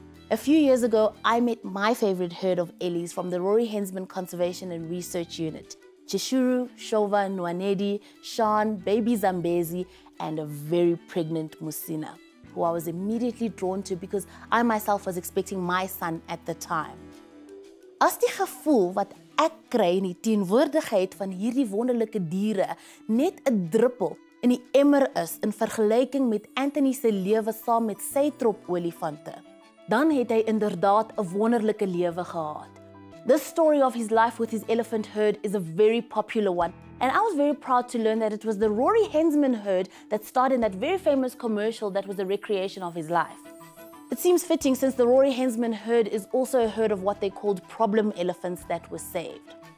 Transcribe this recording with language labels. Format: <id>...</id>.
<en>A few years ago, I met my favorite herd of ellies from the Rory Hensman Conservation and Research Unit. Chishuru, Shova, Nwanedi, Sean, baby Zambezi, and a very pregnant Musina, who I was immediately drawn to because I myself was expecting my son at the time.</en> <af>As die gevoel wat ek kry in die teenwoordigheid van hierdie wonderlike diere net 'n druppel in die emmer is in vergelyking met Anthony se lewe saam met sy trop olifante, dan het hy inderdaad 'n wonderlike lewe gehad.</af> <en>This story of his life with his elephant herd is a very popular one, and I was very proud to learn that it was the Rory Hensman herd that starred in that very famous commercial that was a recreation of his life. It seems fitting since the Rory Hensman herd is also a herd of what they called problem elephants that were saved.</en>